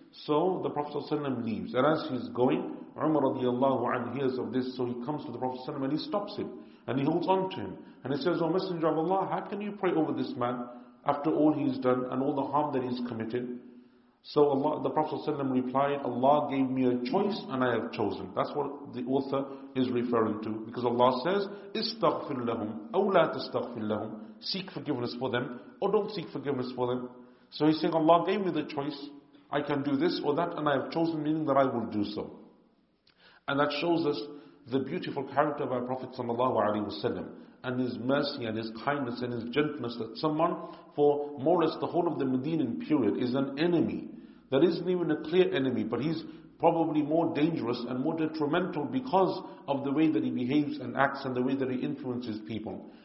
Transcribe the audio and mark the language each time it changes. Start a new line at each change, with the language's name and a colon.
English: So the Prophet ﷺ leaves. And as he's going, Umar radiallahu anhu hears of this. So he comes to the Prophet ﷺ and he stops him. And he holds on to him. And he says, O Messenger of Allah, how can you pray over this man after all he's done and all the harm that he's committed? So Allah, the Prophet ﷺ replied, Allah gave me a choice and I have chosen. That's what the author is referring to. Because Allah says,
Arabic: استغفر لهم أو لا تستغفر لهم.
English: Seek forgiveness for them or don't seek forgiveness for them. So he's saying, Allah gave me the choice. I can do this or that and I have chosen, meaning that I will do so. And that shows us the beautiful character of our Prophet sallallahu alaihi wasallam and his mercy and his kindness and his gentleness, that someone for more or less the whole of the Medinan period is an enemy that isn't even a clear enemy, but he's probably more dangerous and more detrimental because of the way that he behaves and acts and the way that he influences people.